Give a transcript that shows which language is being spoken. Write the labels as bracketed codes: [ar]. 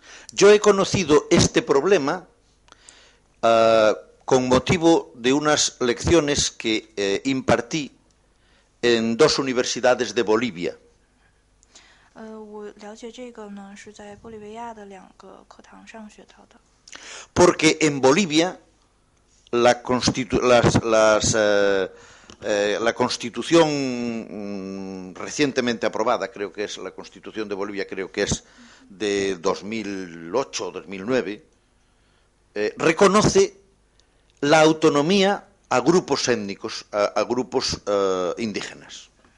[es] Yo he conocido este problema con motivo de unas lecciones que impartí en dos universidades de Bolivia. [zh] 我了解这个呢，是在玻利维亚的两个课堂上学到的。 [es] Porque en Bolivia la constitución recientemente aprobada, creo que es la constitución de Bolivia, creo que es de 2008 o 2009, reconoce la autonomía a grupos étnicos, a grupos indígenas.